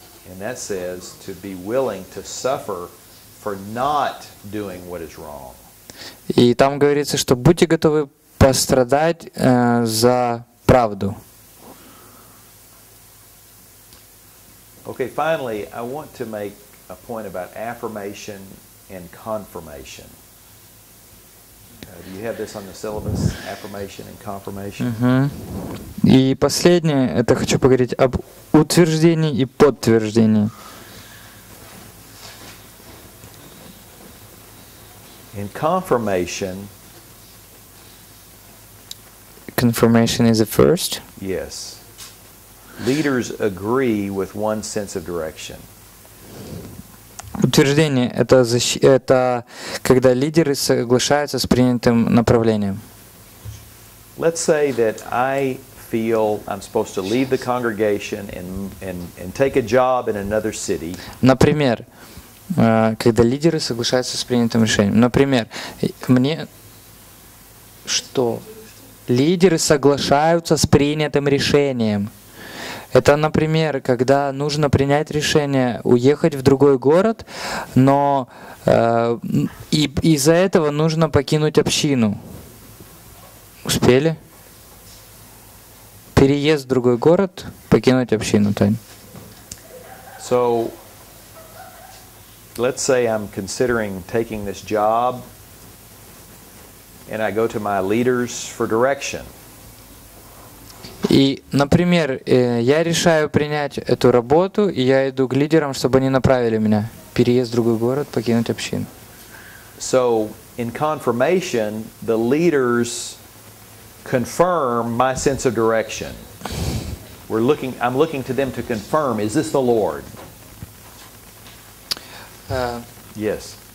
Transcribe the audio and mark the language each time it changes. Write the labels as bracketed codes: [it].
[en] And that says to be willing to suffer for not doing what is wrong. [ru] И там говорится, что будьте готовы пострадать за правду. [en] Okay, finally, I want to make a point about affirmation and confirmation. Do you have this on the syllabus, affirmation and confirmation? [ru] И последнее, это хочу поговорить об утверждении и подтверждении. [en] In confirmation, confirmation is the first. Yes. Leaders agree with one sense of direction. [ru] Утверждение — это когда лидеры соглашаются с принятым направлением. [en] Let's say that I feel I'm supposed to leave the congregation and take a job in another city. [ru] Например, когда лидеры соглашаются с принятым решением. Например, мне что? Лидеры соглашаются с принятым решением. Это, например, когда нужно принять решение уехать в другой город, но и из-за этого нужно покинуть общину. Успели? Переезд в другой город, покинуть общину, Тань. [en] So, let's say I'm considering taking this job, and I go to my leaders for direction. [ru] И, например, я решаю принять эту работу, и я иду к лидерам, чтобы они направили меня. Переезд в другой город, покинуть общину. [en] So, in confirmation, the leaders confirm my sense of direction. I'm looking to them to confirm, is this the Lord? Yes.